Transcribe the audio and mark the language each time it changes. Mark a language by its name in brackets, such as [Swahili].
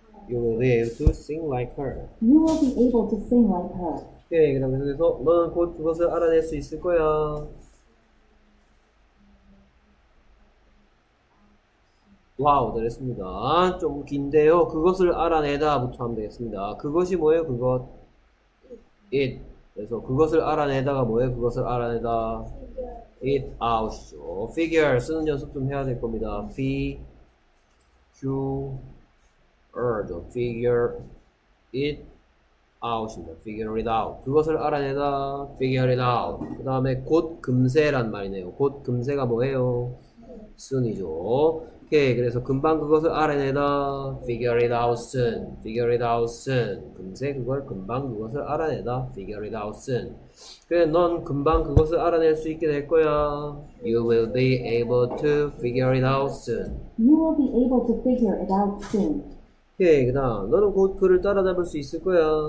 [English] You will be able to sing like her. You will be able to sing like her. [Korean] 오케이, 그 다음에 계속해서 너는 곧 그것을 알아낼 수 있을 거야. Wow, 잘했습니다. 좀 긴데요. 그것을 알아내다부터 하면 되겠습니다. 그것이 뭐예요? 그것. It. 그래서 그것을 알아내다가 뭐예요? 그것을 알아내다. [English] It out [Korean] 이죠. Figure 쓰는 연습 좀 해야 될 겁니다. Figure. [English] Figure it 아웃입니다. Figure it out. [Korean] 그것을 알아내다. [English] Figure it out. [Korean] 그 다음에 곧 금세란 말이네요. 곧 금세가 뭐예요? 순이죠. 오케이. 그래서 금방 그것을 알아내다. [English] Figure it out soon. Figure it out soon. [Korean] 금세 그걸 금방 그것을 알아내다. [English] Figure it out soon. [Korean] 그래, 넌 금방 그것을 알아낼 수 있게 될 거야. [English] You will be able to figure it out soon. You will be able to figure it out soon. [Korean] 오케이. 그다음 너는 곧 그를 따라잡을 수 있을 거야.